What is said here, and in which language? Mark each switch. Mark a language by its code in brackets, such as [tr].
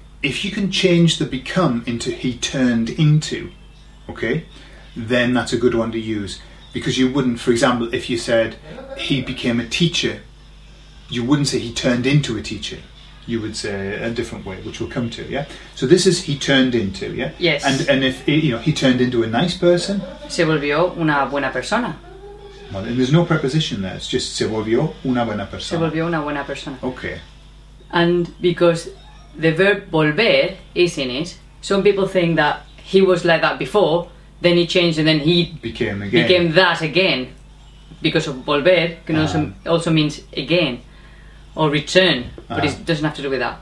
[en] If you can change the become into he turned into, okay, then that's a good one to use. Because you wouldn't, for example, if you said he became a teacher, you wouldn't say he turned into a teacher. You would say a different way, which we'll come to, yeah? So this is he turned into, yeah? Yes. And if, you know, he turned into a nice person. [es] Se volvió una buena persona. [en] Well, and there's no preposition there, it's just [es] se volvió una buena persona. Se volvió una buena persona. [en] Okay. And because the verb volver is in it, some people think that he was like that before, then he changed and then he became again. Became that again. Because of volver, can also means again or return, but it doesn't have to do with that.